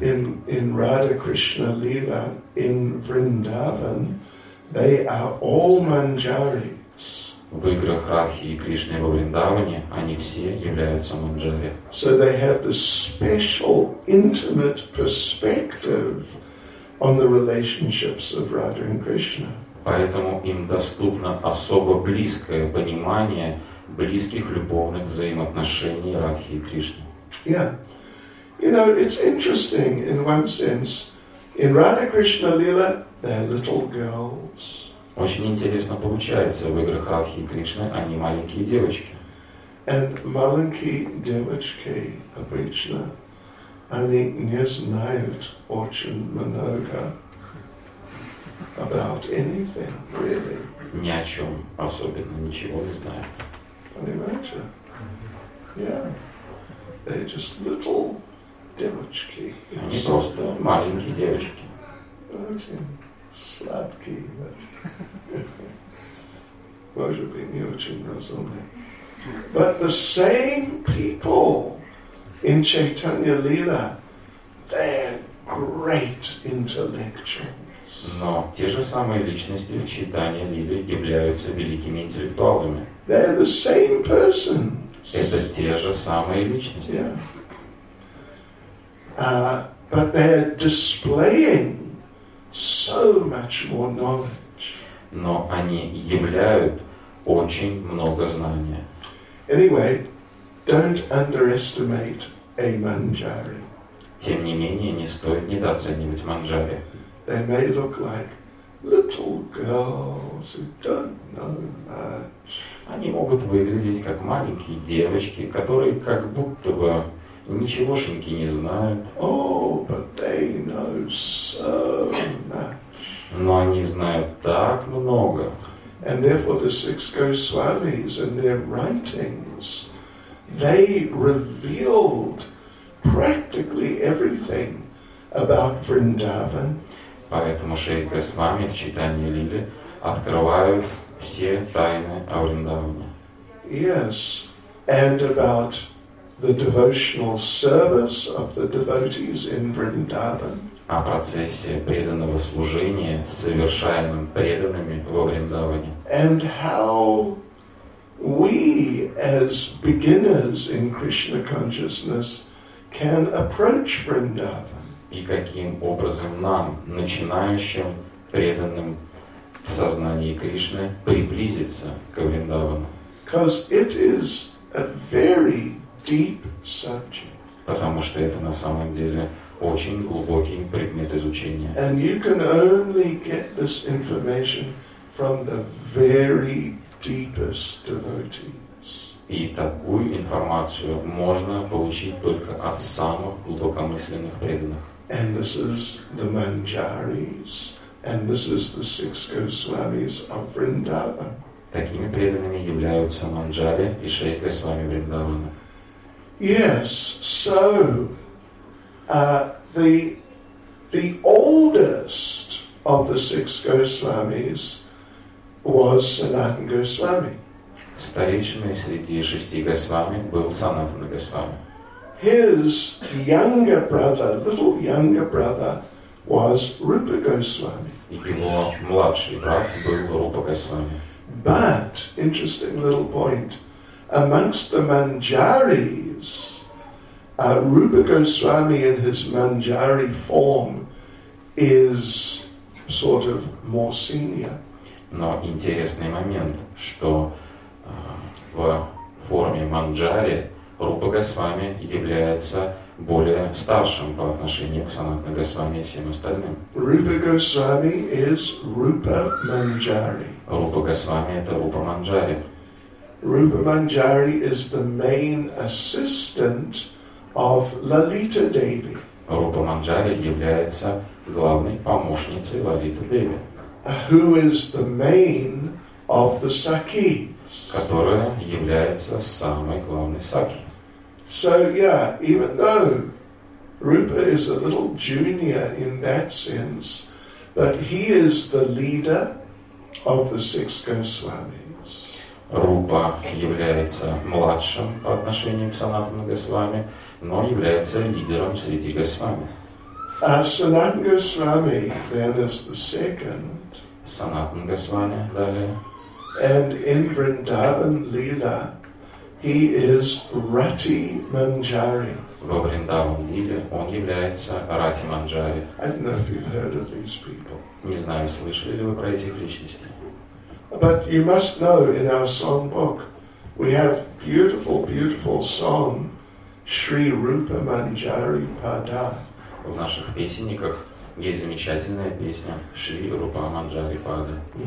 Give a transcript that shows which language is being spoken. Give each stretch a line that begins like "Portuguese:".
English: In Radha Krishna Lila, in Vrindavan, they are all manjaris.
Russian: В играх Радхи и Кришны во Вриндаване они все являются манджари.
English: So they have the special intimate perspective on the relationships of Radha and Krishna.
Russian: Поэтому им доступно особо близкое понимание близких любовных взаимоотношений Радхи и Кришны.
English: Yeah. You know, it's interesting in one sense. In Radha Krishna Lila, they're little girls.
Russian: Очень интересно получается, в играх Радхи и Кришны они маленькие девочки.
English: And
Russian: маленькие девочки обычно, они не знают очень много
English: about anything, really.
Russian: Ни о чем особенно, ничего не знают. Понимаете?
English: Yeah. They're just little
Russian: девочки. Они просто маленькие девочки. Сладкий, да. Может быть, не очень разумный.
English: But the same people in Chaitanya Lila, they're great intellectuals.
Russian: Но те же самые личности в Чайтанья Лиле являются великими интеллектуалами.
English: They're the same person.
Russian: Это те же самые личности.
English: Yeah. But they're displaying so much more knowledge.
Russian: Но они являют очень много знания.
English: Anyway, don't underestimate a manjari.
Russian: Тем не менее, не стоит недооценивать манджари.
English: They may look like little girls who don't know much.
Russian: Они могут выглядеть как маленькие девочки, которые как будто бы ничегошеньки не знают.
English: Oh, but they know so much.
Russian: Но они знают так много.
English: And therefore the six Goswamis and their writings, they revealed practically everything about Vrindavan.
Russian: Поэтому шесть Госвами в Чайтанья Лиле открывают все тайны о Вриндаване.
English: Yes, and about the devotional service of the devotees in Vrindavan.
Russian: О процессе преданного служения, совершаемым преданными во Вриндаване.
English: And how we, as beginners in Krishna consciousness, can approach Vrindavan.
Russian: И каким образом нам, начинающим преданным в сознании Кришны, приблизиться к Вриндавану.
English: Because it is a very deep subject.
Russian: Потому что это на самом деле очень глубокий предмет изучения.
English: And you can only get this information from the very deepest devotees.
Russian: И такую информацию можно получить только от самых глубокомысленных преданных.
English: And this is the manjaris, and this is the six Goswamis of Vrindavan.
Russian: Такими преданными являются манджари и шесть Госвами Вриндавана.
English: Yes, so the oldest of the six Goswamis was Sanatana Goswami.
Russian: Старейшина среди шести Госвами был Санатана Госвами.
English: His younger brother, little younger brother, was Rupa Goswami.
Russian: Его младший брат был Рупа Госвами.
English: But interesting little point. Amongst the manjaris, Rupa Goswami in his manjari form is sort of more senior.
Russian: Но интересный момент, что в форме манджари Рупа Госвами является более старшим по отношению к Санатана Госвами и всем остальным.
English: Rupa Goswami is Rupa Manjari.
Russian: Рупа Госвами – это Рупа Манджари.
English: Rupa Manjari is the main assistant of Lalita Devi.
Russian: Рупа Манджари является главной помощницей Лалиты Деви.
English: Who is the main of the Sakhis?
Russian: Которая является самой главной Сакхи.
English: So yeah, even though Rupa is a little junior in that sense, but he is the leader of the six Goswamis.
Russian: Rupa является младшим по отношению к Санатану Госвами, но является лидером среди Госвами.
English: Санатан Госвами then is the second.
Russian: Санатан Госвами далее.
English: And in Vrindavan Lila, he is Rati Manjari.
Russian: Во Вриндаван Лиле он является Рати Манджари.
English: I don't know if you've heard of these people.
Russian: Не знаю, слышали ли вы про этих личностей.
English: But you must know, in our songbook, we have beautiful, beautiful song, Shri Rupa Manjari Pada.
Russian: В наших песенниках есть замечательная песня Шри Рупа Манджари Пада.